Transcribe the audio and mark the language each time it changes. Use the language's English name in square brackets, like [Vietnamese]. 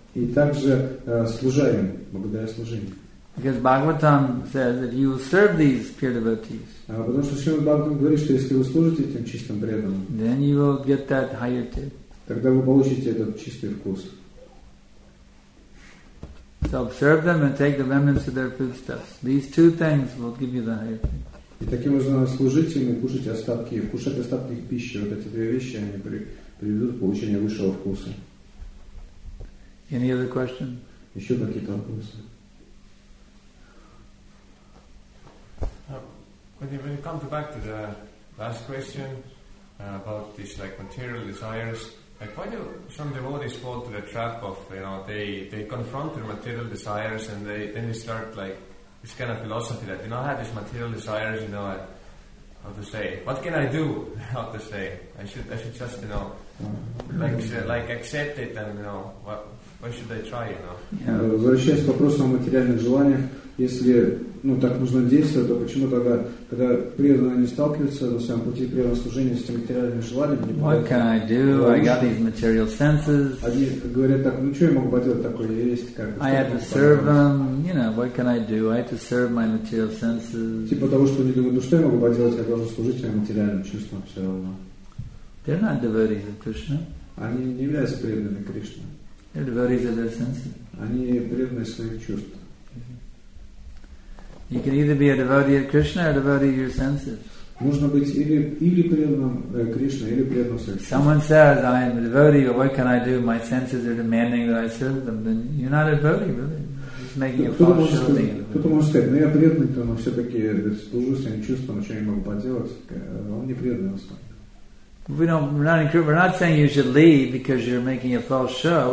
[Russian] И также служа им, благодаря служению. [English] Because Bhagavatam says that you will serve these pure devotees. [Russian] Потому что Шримад Бхагаватам говорит, что если вы служите этим чистым преданным, [English] then you will get that higher taste. [Russian] Тогда вы получите этот чистый вкус. [English] So serve them and take the remnants of their foodstuffs. These two things will give you the higher taste. [Russian] И таким образом служить им и кушать остатки, кушать остатки их пищи, вот эти две вещи, они приведут к получению высшего вкуса. [English] Any other question? [Russian] Еще какие-то вопросы? [English] When you come back to the last question about these like material desires, like why do some devotees fall to the trap of, you know, they confront their material desires and then they start like this kind of philosophy that, you know, I have these material desires, you know, what can I do? I should just, you know, like accept it and, you know, what should I try, you know? [Russian] Возвращаясь к вопросу о материальных желаниях, если, ну, так нужно действовать, то почему тогда, когда преданные не сталкиваются на своем пути преданного служения с этими материальными желаниями? [English] What can I do? I got these material senses. [Russian] Они говорят так, ну что я могу поделать такое? Есть как [English] I had to serve them, you know, what can I do? I had to serve my material senses. [Russian] Типа того, что они думают, ну что я могу поделать, я должен служить своим материальным чувствам все равно. [English] They're not devotees of Krishna. [Russian] Они не являются преданными Кришне. [English] They're devotees of their senses. [Russian] Они преданные своих чувств. [English] You can either be a devotee of Krishna or a devotee of your senses. [Russian] Можно быть или преданным Кришне, или преданным сердцем. [English] Someone says, I am a devotee, but what can I do? My senses are demanding that I serve them. Then you're not a devotee, really. It's making a false showing. [Russian] Кто-то может сказать, ну я преданный, то но все-таки служу своим чувством, что я могу поделать. Он не преданный остальным. [English] We're not saying you should leave because you're making a false show.